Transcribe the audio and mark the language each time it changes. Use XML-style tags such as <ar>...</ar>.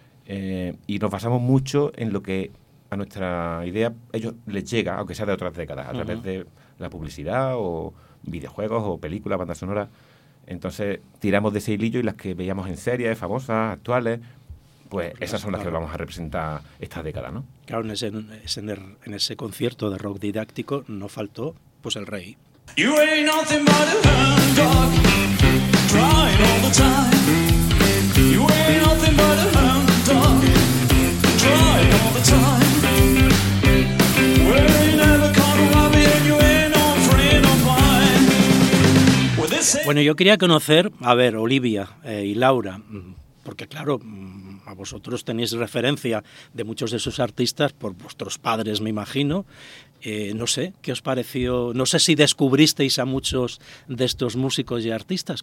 <es>Y nos basamos mucho en lo que a nuestra idea ellos les llega, aunque sea de otras décadas, a través de la publicidad o videojuegos o películas, bandas sonoras. Entonces tiramos de ese hilillo y las que veíamos en series famosas, actuales, pues esas son las que vamos a representar esta década, ¿no? Claro, en ese concierto de rock didáctico no faltó, pues, el rey.</es> <en>You ain't nothing but a hound dog, crying all the time. You ain't nothing but a hound dog, crying all the time. Well, you never caught a rabbit and you ain't no friend of mine. Well, this ain't...</en> <es>Bueno, yo quería conocer, a ver, Olivia y Laura, porque claro, a vosotros tenéis referencia de muchos de sus artistas por vuestros padres, me imagino. No sé, ¿qué os pareció? No sé si descubristeis a muchos de estos músicos y artistas.</es>